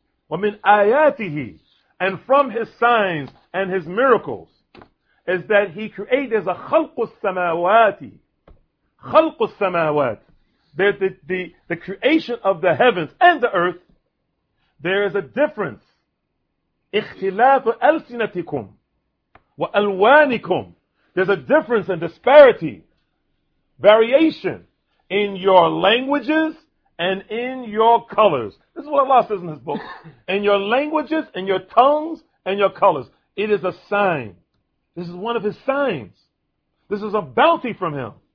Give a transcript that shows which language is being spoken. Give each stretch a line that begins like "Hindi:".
Arabic: وَمِنْ آيَاتِهِ
English: And from His signs and His miracles. Is that He created as a
Arabic: خلق السماوات. خلق السماوات.
English: The creation of the heavens and the earth, there is a difference.
Arabic: اختلاف ألسنتكم وألوانكم.
English: There's a difference and disparity, variation in your languages and in your colors. This is what Allah says in His book. In your languages and your tongues and your colors. It is a sign. This is one of His signs. This is a bounty from Him.